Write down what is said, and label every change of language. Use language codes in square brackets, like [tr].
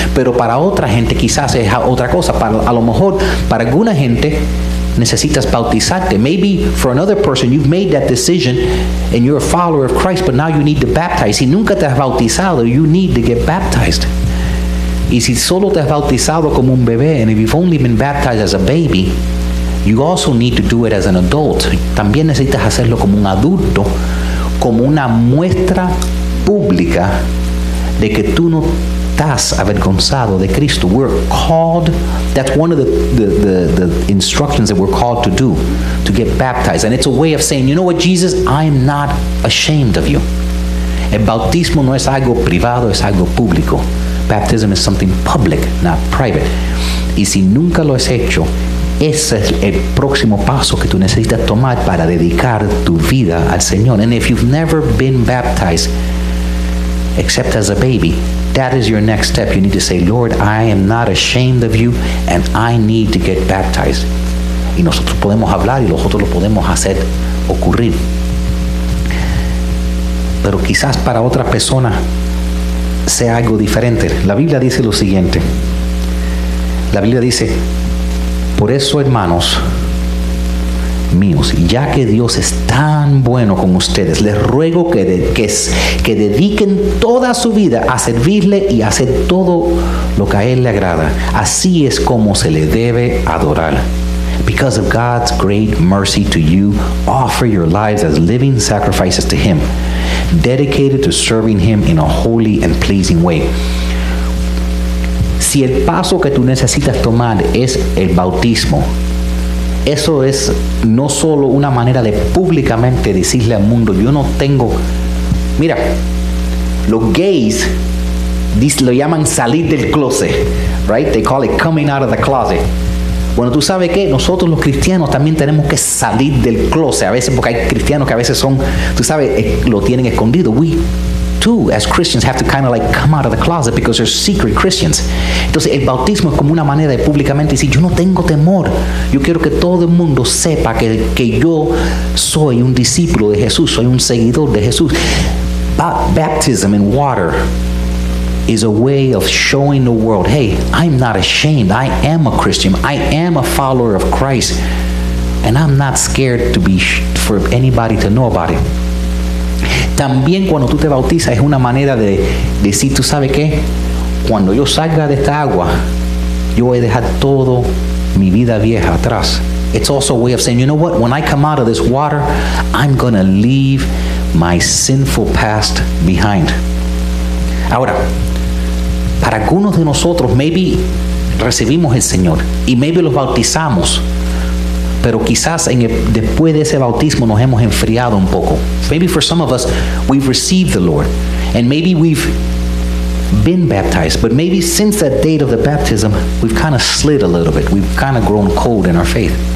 [es] Pero para otra gente, quizás es otra cosa. A lo mejor, para alguna gente, necesitas bautizarte. [en] Maybe for another person, you've made that decision and you're a follower of Christ, but now you need to baptize. [es] Si nunca te has bautizado, [en] you need to get baptized. [es] Y si solo te has bautizado como un bebé, [en] and if you've only been baptized as a baby, you also need to do it as an adult. [es] También necesitas hacerlo como un adulto, como una muestra pública de que tú no estás avergonzado de Cristo. [en] We're called, that's one of the instructions that we're called to do, to get baptized. And it's a way of saying, you know what, Jesus, I am not ashamed of you. [es] El bautismo no es algo privado, es algo público. [en] Baptism is something public, not private. [es] Y si nunca lo has hecho, ese es el próximo paso que tú necesitas tomar para dedicar tu vida al Señor. [en] And if you've never been baptized, except as a baby, that is your next step. You need to say, Lord, I am not ashamed of you, and I need to get baptized. [es] Y nosotros podemos hablar y nosotros lo podemos hacer ocurrir. Pero quizás para otra persona sea algo diferente. La Biblia dice lo siguiente. La Biblia dice, por eso, hermanos míos, ya que Dios es tan bueno con ustedes, les ruego que dediquen toda su vida a servirle y a hacer todo lo que a Él le agrada. Así es como se le debe adorar. [en] Because of God's great mercy to you, offer your lives as living sacrifices to Him, dedicated to serving Him in a holy and pleasing way. [es] Si el paso que tú necesitas tomar es el bautismo, eso es no solo una manera de públicamente decirle al mundo, yo no tengo... Mira, los gays lo llaman salir del closet, right? [en] They call it coming out of the closet. [es] Bueno, ¿tú sabes qué? Nosotros los cristianos también tenemos que salir del closet. A veces, porque hay cristianos que a veces son, tú sabes, lo tienen escondido. [en] We too, as Christians, have to kind of like come out of the closet because they're secret Christians. [es] Entonces, el bautismo es como una manera de públicamente decir, yo no tengo temor. Yo quiero que todo el mundo sepa que yo soy un discípulo de Jesús, soy un seguidor de Jesús. [en] Baptism in water is a way of showing the world, hey, I'm not ashamed. I am a Christian. I am a follower of Christ. And I'm not scared to be for anybody to know about it. [es] También cuando tú te bautizas es una manera de decir, tú sabes qué, cuando yo salga de esta agua, yo voy a dejar todo mi vida vieja atrás. [en] It's also a way of saying, you know what, when I come out of this water, I'm going to leave my sinful past behind. [es] Ahora, para algunos de nosotros, maybe recibimos el Señor y maybe los bautizamos, pero quizás después de ese bautismo nos hemos enfriado un poco. [en] Maybe for some of us, we've received the Lord and maybe we've been baptized, but maybe since that date of the baptism, we've kind of slid a little bit. We've kind of grown cold in our faith.